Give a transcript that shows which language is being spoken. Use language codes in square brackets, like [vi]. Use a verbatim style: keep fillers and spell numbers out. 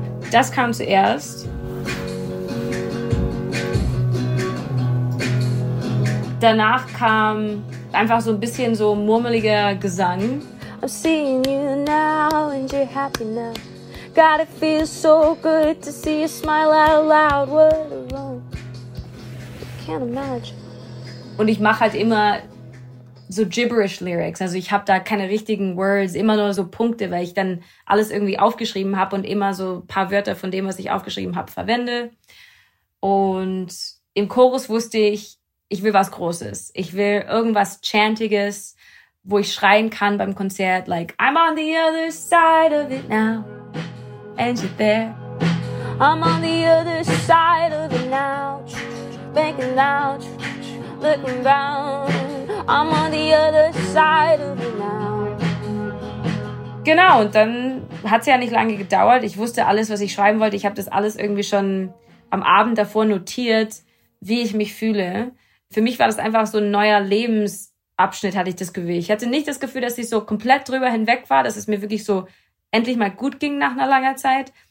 [de] Das kam zuerst. Danach kam einfach so ein bisschen so murmeliger Gesang. [en] I'm seeing you now and you're happy now. God, it feels so good to see you smile out loud. We're alone. I can't imagine. [de] Und ich mache halt immer so Gibberish-Lyrics. Also ich habe da keine richtigen Words, immer nur so Punkte, weil ich dann alles irgendwie aufgeschrieben habe und immer so ein paar Wörter von dem, was ich aufgeschrieben habe, verwende. Und im Chorus wusste ich, ich will was Großes. Ich will irgendwas Chantiges, wo ich schreien kann beim Konzert, [en] like, I'm on the other side of it now, and you're there. I'm on the other side of it now, making loud, looking round. I'm on the other side of it now. [de] Genau, und dann hat's ja nicht lange gedauert. Ich wusste alles, was ich schreiben wollte. Ich habe das alles irgendwie schon am Abend davor notiert, wie ich mich fühle. Für mich war das einfach so ein neuer Lebensabschnitt, hatte ich das Gefühl. Ich hatte nicht das Gefühl, dass ich so komplett drüber hinweg war, dass es mir wirklich so endlich mal gut ging nach einer langen Zeit.